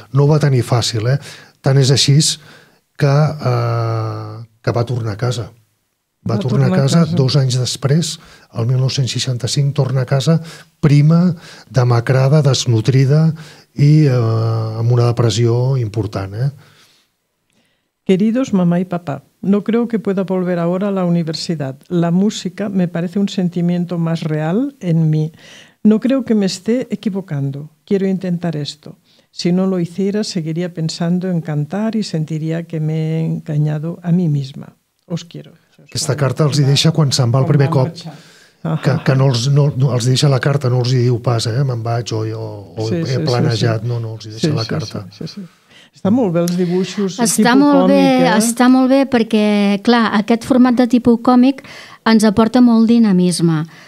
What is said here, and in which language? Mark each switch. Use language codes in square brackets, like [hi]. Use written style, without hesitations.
[ca] No ho va tenir fàcil, eh? Tant és així que va tornar a casa. Va tornar a casa 2 anys després, el 1965, torna a casa prima, demacrada, desnutrida i amb una depressió important, eh? [es] Queridos mamá y papá, no creo que pueda volver ahora a la universidad. La música me parece un sentimiento más real en mí. No creo que me esté equivocando. Quiero intentar esto. Si no lo hiciera, seguiría pensando en cantar y sentiría que me he engañado a mí misma. Os quiero. [ca] Aquesta carta els hi deixa quan se'n va el primer cop. Que no els, no els deixa la carta, no els hi diu pas, eh? Me'n vaig o sí, he planejat. Sí, sí. No, els hi deixa la carta. Està molt bé els dibuixos, està tipus molt còmic, bé, eh? Està molt bé, perquè, clar, aquest format de tipus còmic ens aporta molt dinamisme.